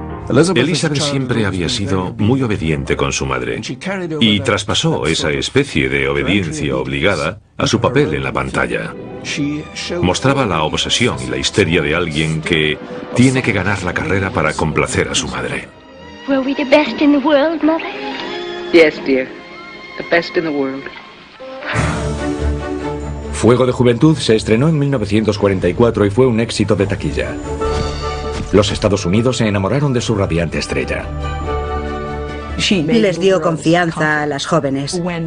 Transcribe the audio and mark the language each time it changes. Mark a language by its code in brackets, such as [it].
[es] Elizabeth siempre había sido muy obediente con su madre y traspasó esa especie de obediencia obligada a su papel en la pantalla. Mostraba la obsesión y la histeria de alguien que tiene que ganar la carrera para complacer a su madre. [en] Were we the best in the world, mother? Yes, dear. The best in the world. [es] Fuego de Juventud se estrenó en 1944 y fue un éxito de taquilla. Los Estados Unidos se enamoraron de su radiante estrella. Les dio confianza a las jóvenes.